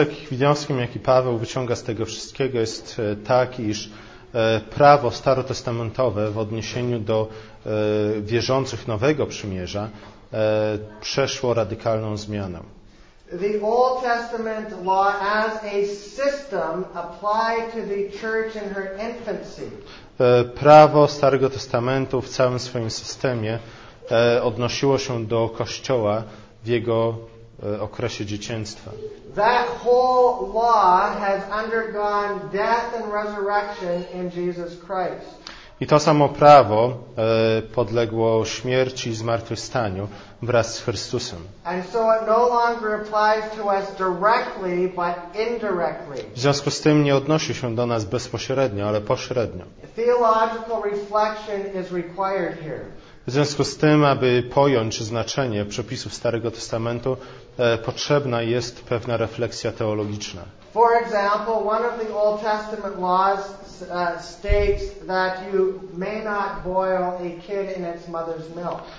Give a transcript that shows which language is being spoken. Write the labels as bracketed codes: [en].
[pl] Wnioskiem, jaki Paweł wyciąga z tego wszystkiego, jest taki, iż prawo starotestamentowe w odniesieniu do wierzących Nowego Przymierza przeszło radykalną zmianę. [en] The Old Testament law as a system applied to the church in her infancy. [pl] Prawo Starego Testamentu w całym swoim systemie odnosiło się do Kościoła w jego okresie dzieciństwa. [en] That whole law has undergone death and resurrection in Jesus Christ. [pl] I to samo prawo podległo śmierci i zmartwychwstaniu wraz z Chrystusem. [en] And so it no longer applies to us directly, but indirectly. [pl] W związku z tym nie odnosi się do nas bezpośrednio, ale pośrednio. [en] Theological reflection is required here. [pl] W związku z tym, aby pojąć znaczenie przepisów Starego Testamentu, potrzebna jest pewna refleksja teologiczna. [en] For example, one of the Old Testament laws states that you may not boil a kid in its mother's milk.